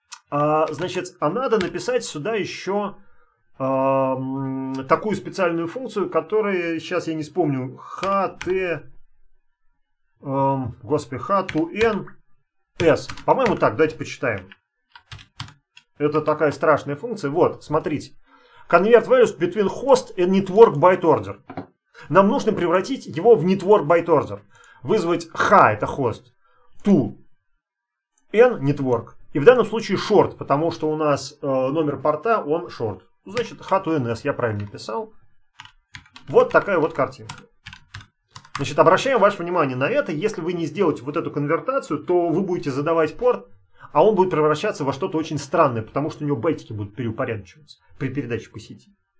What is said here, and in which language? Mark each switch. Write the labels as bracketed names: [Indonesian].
[Russian] Значит, а надо написать сюда еще такую специальную функцию, которая, сейчас я не вспомню, H2NS. По-моему, так, давайте почитаем. Это такая страшная функция. Вот, смотрите. [English] Convert values between host and network byte order. [Russian] Нам нужно превратить его в network byte order. Вызвать H, это host, to, N, network. И в данном случае short, потому что у нас номер порта, он short. Значит, H to NS, я правильно написал. Вот такая вот картинка. Значит, обращаем ваше внимание на это. Если вы не сделаете вот эту конвертацию, то вы будете задавать порт, а он будет превращаться во что-то очень странное, потому что у него байтики будут переупорядочиваться при передаче по сети.